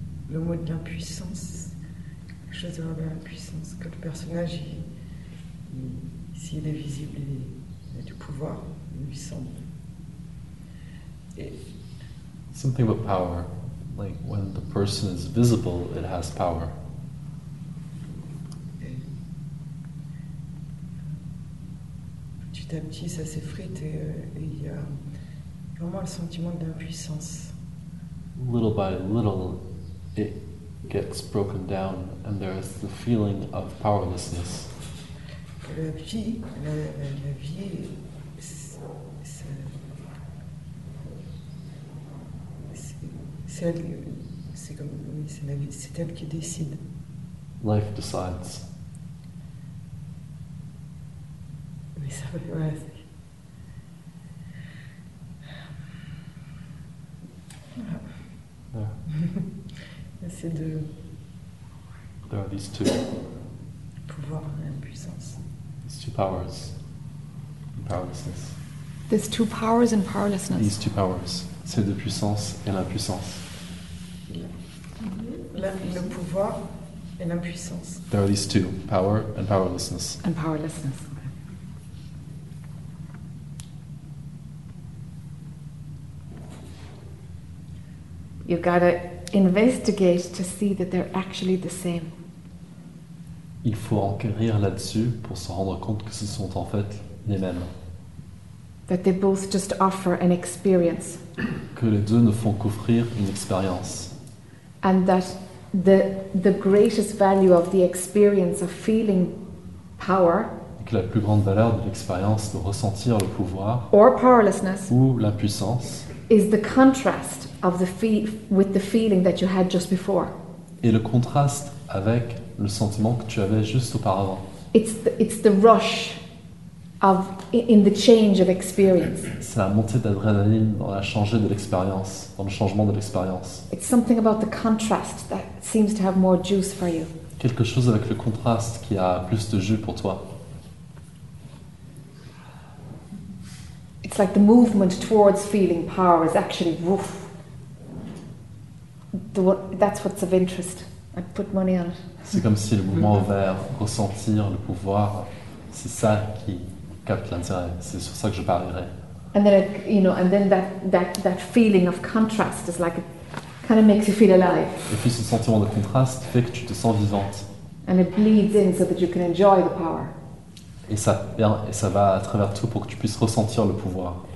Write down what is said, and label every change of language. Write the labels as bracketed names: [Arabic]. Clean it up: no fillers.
[French] Le mot de l'impuissance, quelque chose de l'ordre de l'impuissance, que le personnage, s'il est visible, il a du pouvoir, il lui semble. [English] Et something about power, like when the person is visible, it has power. [French] Petit à petit, ça s'effrite et il y a vraiment le sentiment de l'impuissance. [English] Little by little, it gets broken down, and there is the feeling of powerlessness. [French] La vie, la vie, c'est comme oui, c'est la vie, c'est elle qui décide. [English] Life decides. [French] Mais ça veut dire. C'est de [English] there are these two. [French] Pouvoir et impuissance. [English] These two powers and powerlessness. These two powers and powerlessness. These two powers. [French] C'est de puissance et l'impuissance. Le pouvoir et l'impuissance. [English] There are these two, power and powerlessness. And powerlessness. You've got to investigate to see that they're actually the same. [French] Il faut enquérir là-dessus pour se rendre compte que ce sont en fait les mêmes. [English] That they both just offer an experience. [French] Que les deux ne font qu'offrir une expérience. [English] And that the greatest value of the experience of feeling power. [French] Et que la plus grande valeur de l'expérience de ressentir le pouvoir. [English] Or powerlessness. [French] Ou l'impuissance. [English] Is the contrast of the with the feeling that you had just before. [French] Et le contraste avec le sentiment que tu avais juste auparavant. [English] It's the rush of in the change of experience. [French] C'est la montée d'adrénaline dans la changer de l'expérience, dans le changement de l'expérience. [English] It's something about the contrast that seems to have more juice for you. [French] Quelque chose avec le contraste qui a plus de jus pour toi. [English] It's like the movement towards feeling power is actually woof. That's what's of interest. I put money on it. [French] C'est comme si le mouvement vers ressentir le pouvoir, c'est ça qui capte l'intérêt. C'est sur ça que je parierais. [English] And then that feeling of contrast is like it kind of makes you feel alive. [French] Et puis ce sentiment de contraste fait que tu te sens vivante. [English] And it bleeds in so that you can enjoy the power. [French] Et ça va à travers tout pour que tu puisses ressentir le pouvoir.